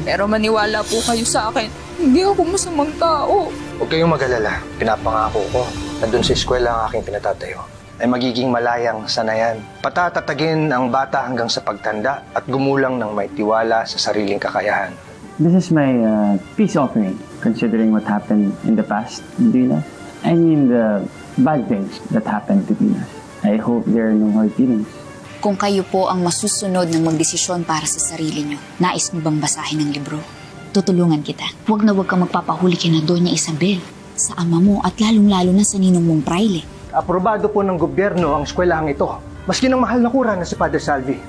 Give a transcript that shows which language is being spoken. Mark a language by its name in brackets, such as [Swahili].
[Filipino] Pero maniwala po kayo sa akin, hindi ako masamang tao. Huwag kayong mag-alala. Pinapangako ko. Nandun sa eskwela ang aking pinatatayo. Ay magiging malayang sanayan. Patatatagin ang bata hanggang sa pagtanda at gumulang ng may tiwala sa sariling kakayahan. [English] This is my peace offering, considering what happened in the past, Dina. I mean the bad things that happened to Dina. I hope there are no more feelings. [Filipino] Kung kayo po ang masusunod ng magdesisyon para sa sarili nyo, nais mo bang basahin ang libro? Tutulungan kita. Huwag na huwag kang magpapahuli kina Doña Isabel. Sa ama mo at lalong-lalo na sa ninong mong praile. Aprobado po ng gobyerno ang eskwelahang ito. Maski ng mahal na kura na si Padre Salvi,